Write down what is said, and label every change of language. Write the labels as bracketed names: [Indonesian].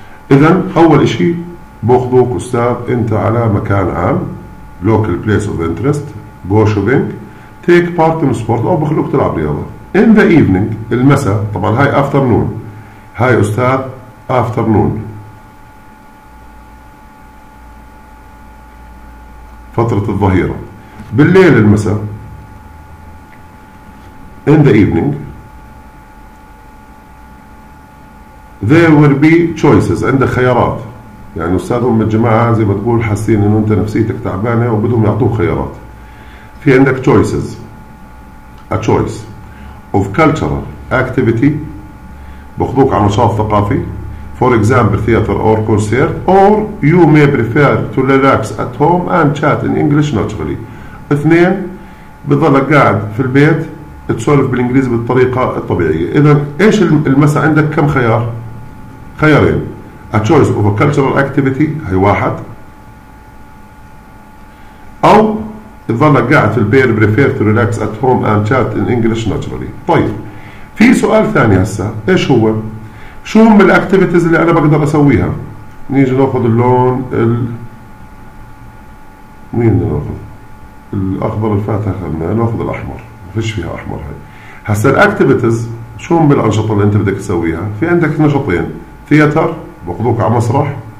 [Arabic] اذا اول اشي باخذوك استاذ انت على مكان عام [English] local place of interest go shopping take part in sport [Arabic] او بخلوك تلعب رياضة. [English] in the evening [Arabic] المساء طبعا هاي afternoon هاي استاذ afternoon فترة الظهيرة. بالليل المساء [English] in the evening there will be choices. [Arabic] عندك خيارات يعني استاذهم من الجماعة زي ما تقول حاسين ان انت نفسيتك تعبانة وبدهم يعطوك خيارات. في عندك [English] choices a choice of cultural activity [Arabic] بخذوك على نشاط ثقافي [English] for example theater or concert or you may prefer to relax at home and chat in English naturally. [Arabic] اثنين بتظلك قاعد في البيت تسولف بالانجليزي بالطريقة الطبيعية. اذا ايش المساء عندك كم خيار؟ خيارين [English] a choice of a cultural activity [Arabic] هي واحد او تظلك قاعد في البيت [English] prefer to relax at home and chat in English naturally. [Arabic] طيب في سؤال ثاني هسه ايش هو؟ شو هم الاكتيفيتيز اللي انا بقدر اسويها؟ نيجي ناخذ اللون مين ناخذ؟ الاخضر الفاتح خلنا ناخذ الاحمر فيش فيها احمر. هاي هسه الاكتيفيتيز شو هم الانشطه اللي انت بدك تسويها؟ في عندك نشاطين ثياتر باخذوك على مسرح.